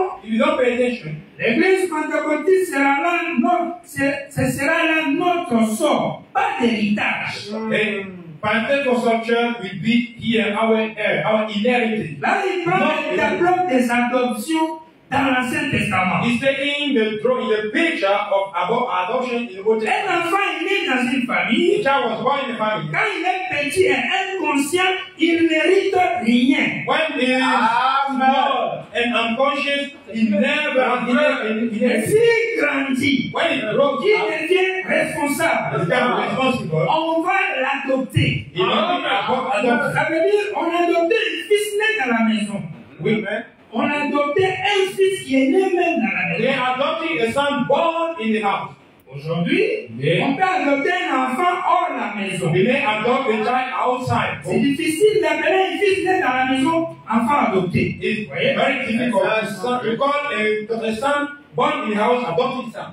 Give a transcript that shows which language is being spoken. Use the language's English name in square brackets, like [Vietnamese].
[English] you don't pay attention, [French] l'église pentecôtiste sera là, notre sort, pas d'héritage. [English] Pentecostal church will be here, our inheritance. [French] Là, il prend la preuve des adoptions dans l'Ancien Testament. [English] He's taking the picture of adoption in the Old Testament. [French] Un enfant né dans une famille. [English] The child was born in the family. [French] Quand il est petit et inconscient, il n'hérite rien. [English] When he is small and unconscious, he never inherits. [French] Et si il grandit, [English] when he grows, [French] il devient responsable. [English] He becomes responsible. [French] On va l'adopter. Ça veut dire on a adopté un fils né dans la maison. Oui, mais. On a adopté un fils qui est né même dans la maison. [English] They adopted a son born in the house. [French] Aujourd'hui, on peut adopter un enfant hors la maison. [English] We may adopt a child outside. [French] C'est difficile d'appeler un fils né dans la maison enfant adopté. [English] It's very difficult. You call a son born in the house adopted son.